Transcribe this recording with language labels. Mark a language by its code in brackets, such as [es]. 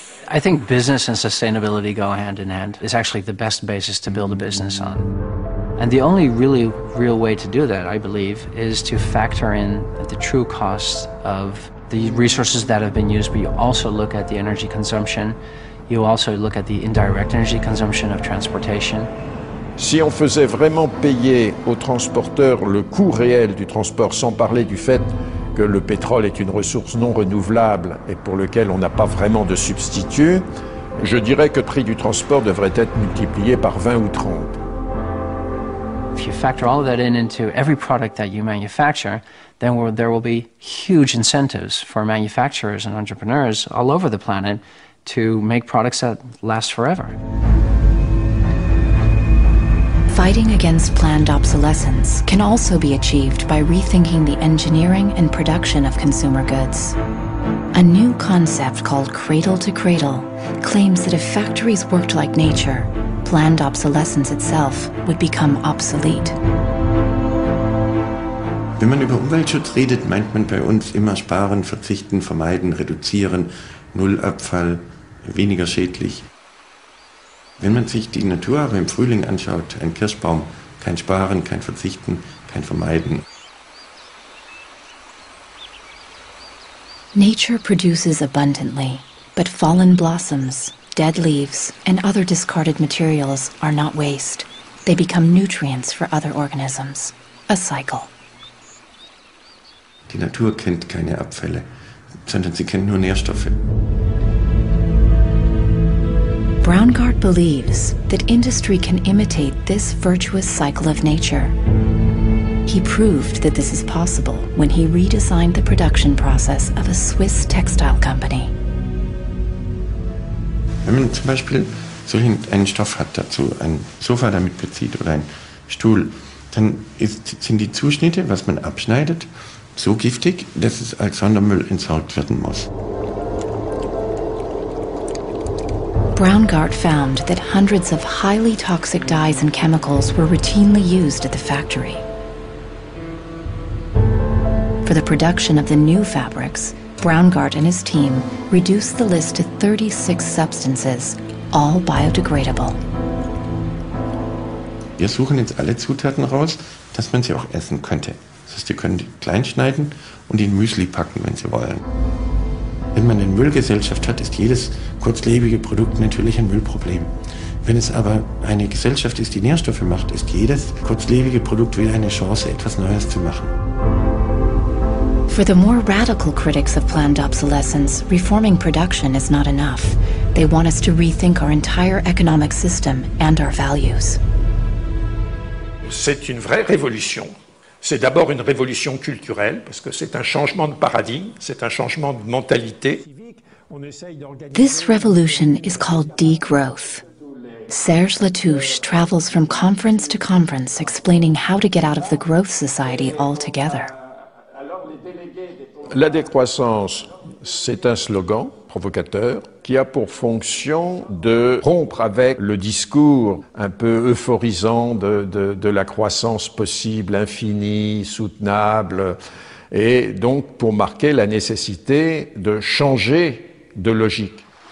[en] I think business and sustainability go hand in hand. It's actually the best basis to build a business on. And the only really real way to do that, I believe, is to factor in the true cost of the resources that have been used, but you also look at the energy consumption. You also look at the indirect energy consumption of transportation. [fr] Si on faisait vraiment payer aux transporteurs le coût réel du transport, sans parler du fait que le pétrole est une ressource non renouvelable et pour lequel on n'a pas vraiment de substitut, je dirais que le prix du transport devrait être multiplié par 20 ou 30. [en] If you factor all of that in into every product that you manufacture, then there will be huge incentives for manufacturers and entrepreneurs all over the planet to make products that last forever. Fighting against planned obsolescence can also be achieved by rethinking the engineering and production of consumer goods. A new concept called cradle to cradle claims that if factories worked like nature, planned obsolescence itself would become obsolete. [de] Wenn man über Umweltschutz redet, meint man bei uns immer sparen, verzichten, vermeiden, reduzieren, null Abfall, weniger schädlich. Wenn man sich die Natur aber im Frühling anschaut, ein Kirschbaum, kein Sparen, kein Verzichten, kein Vermeiden. [en] Nature produces abundantly, but fallen blossoms, dead leaves, and other discarded materials are not waste. They become nutrients for other organisms. A cycle. [de] Die Natur kennt keine Abfälle, sondern sie kennt nur Nährstoffe. [en] Braungart believes that industry can imitate this virtuous cycle of nature. He proved that this is possible when he redesigned the production process of a Swiss textile company. [de] Wenn man zum Beispiel so einen Stoff hat dazu, ein Sofa damit bezieht oder ein Stuhl, dann sind die Zuschnitte, was man abschneidet, so giftig, dass es als Sondermüll entsorgt werden muss. [en] Braungart found that hundreds of highly toxic dyes and chemicals were routinely used at the factory. For the production of the new fabrics, Braungart and his team reduced the list to 36 substances, all biodegradable. [de] Wir suchen jetzt alle Zutaten raus, dass man sie auch essen könnte. Das heißt, ihr könnt die klein schneiden und in Müsli packen, wenn sie wollen. Wenn man eine Müllgesellschaft hat, ist jedes kurzlebige Produkt natürlich ein Müllproblem. Wenn es aber eine Gesellschaft ist, die Nährstoffe macht, ist jedes kurzlebige Produkt wieder eine Chance, etwas Neues zu machen. [en] For the more radical critics of planned obsolescence, reforming production is not enough. They want us to rethink our entire economic system and our values. [fr] C'est une vraie révolution. C'est d'abord une révolution culturelle, parce que c'est un changement de paradigme, c'est un changement de mentalité. [en] This revolution is called degrowth. Serge Latouche travels from conference to conference explaining how to get out of the growth society altogether. [fr] La décroissance, c'est un slogan provocateur qui a pour fonction de rompre avec le discours un peu euphorisant de la croissance possible, infinie, soutenable, et donc pour marquer la nécessité de changer de logique.